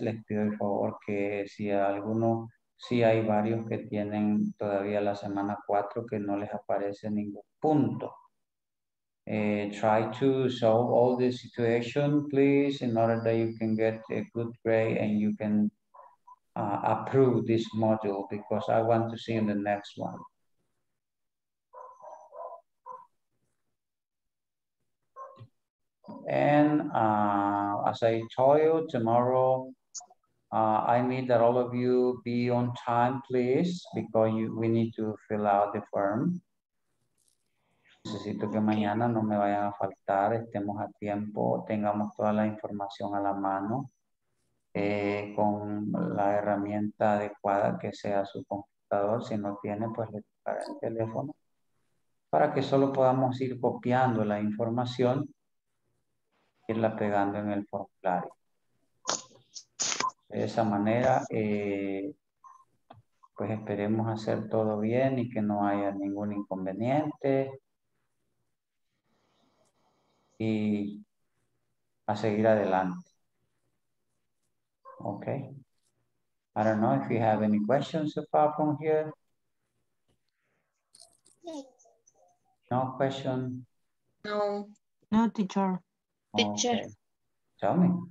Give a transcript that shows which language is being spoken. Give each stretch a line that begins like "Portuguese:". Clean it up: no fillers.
Spanish: Les pido, por favor, que si alguno, si hay varios que tienen todavía la semana 4, que no les aparece ningún punto.
English: Try to solve all the situation, please, in order that you can get a good grade and you can approve this module, because I want to see you in the next one. And as I told you, tomorrow, I need that all of you be on time, please, because we need to fill out the form.
Spanish: Necesito que mañana no me vayan a faltar, estemos a tiempo, tengamos toda la información a la mano, con la herramienta adecuada, que sea su computador. Si no tiene, pues le tocará el teléfono, para que solo podamos ir copiando la información, irla pegando en el formulario. De esa manera, pues esperemos hacer todo bien y que no haya ningún inconveniente. Y a seguir adelante.
English: Okay. I don't know if you have any questions so far from here. No question? No. No, teacher. Teacher. Okay. Tell me.